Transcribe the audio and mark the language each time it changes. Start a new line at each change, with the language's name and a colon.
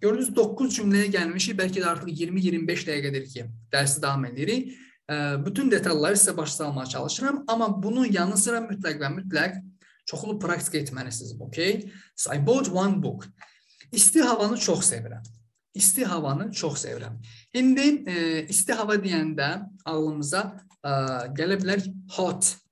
Azerbaijani: Gördünüz, 9 cümləyə gəlmişik. Bəlkə də artıq 20-25 dəqiqədir ki, dərsi davam edirik. Bütün detalları sizə baş salmağa çalışıram. Amma bunun yanı sıra mütləq və mütləq çoxlu praktika etməlisiniz. Okay?
English: So I bought one book.
Azerbaijani: İsti havanı çox sevirəm. İsti havanı çox sevirəm. İndi isti hava deyəndə ağlımıza gələ bilər hot.